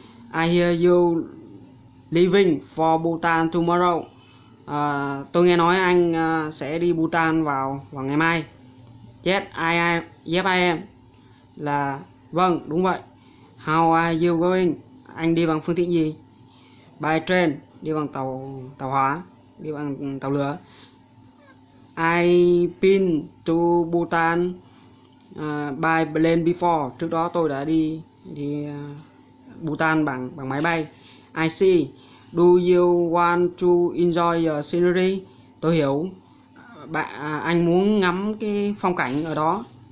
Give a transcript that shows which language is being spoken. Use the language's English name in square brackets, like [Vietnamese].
[English] I hear you leaving for Bhutan tomorrow. [Vietnamese] Tôi nghe nói anh sẽ đi Bhutan vào ngày mai. [English] Yes, I am. [Vietnamese] Là vâng, đúng vậy. [English] How are you going? [Vietnamese] Anh đi bằng phương tiện gì? [English] By train, [Vietnamese] đi bằng tàu tàu hỏa, đi bằng tàu lửa. [English] I've been to Bhutan by plane before. [Vietnamese] Trước đó tôi đã đi đi Bhutan bằng bằng máy bay. [English] I see. Do you want to enjoy the scenery? [Vietnamese] Tôi hiểu. Anh muốn ngắm cái phong cảnh ở đó.